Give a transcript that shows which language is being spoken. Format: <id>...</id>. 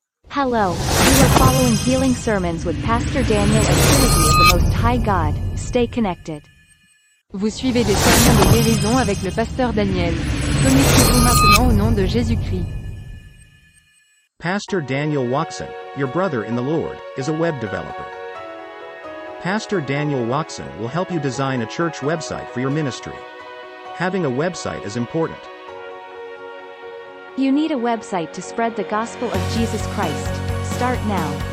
<en>Hello, you are following Healing Sermons with Pastor Daniel and Trinity of the Most High God. Stay connected.</en> <fr>Vous suivez des sermons de guérison avec le pasteur Daniel. Connectez-vous maintenant au nom de Jésus-Christ.</fr> <en>Pastor Daniel Waxon, your brother in the Lord, is a web developer. Pastor Daniel Waxon will help you design a church website for your ministry. Having a website is important. You need a website to spread the gospel of Jesus Christ. Start now.</en>